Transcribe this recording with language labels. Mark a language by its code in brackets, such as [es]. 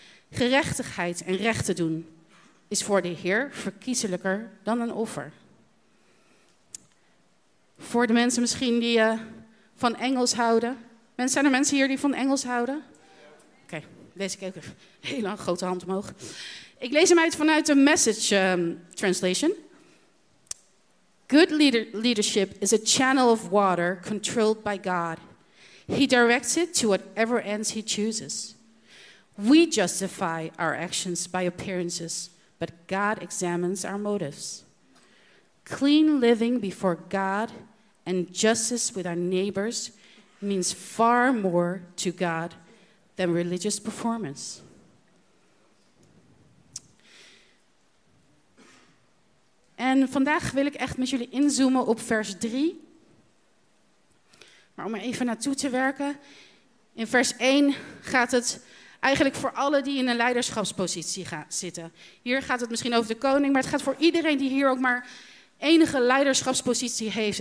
[nl] Gerechtigheid en recht te doen is voor de Heer verkieselijker dan een offer. Voor de mensen misschien die van Engels houden. Zijn er mensen hier die van Engels houden? Oké, lees ik ook even. Heel lang, grote hand omhoog. Ik lees hem uit vanuit de Message translation. [en] Good leadership is a channel of water controlled by God. He directs it to whatever ends he chooses. We justify our actions by appearances, but God examines our motives. Clean living before God and justice with our neighbors means far more to God than religious performance. [nl] En vandaag wil ik echt met jullie inzoomen op vers 3. Maar om er even naartoe te werken. In vers 1 gaat het eigenlijk voor alle die in een leiderschapspositie zitten. Hier gaat het misschien over de koning, maar het gaat voor iedereen die hier ook maar enige leiderschapspositie heeft.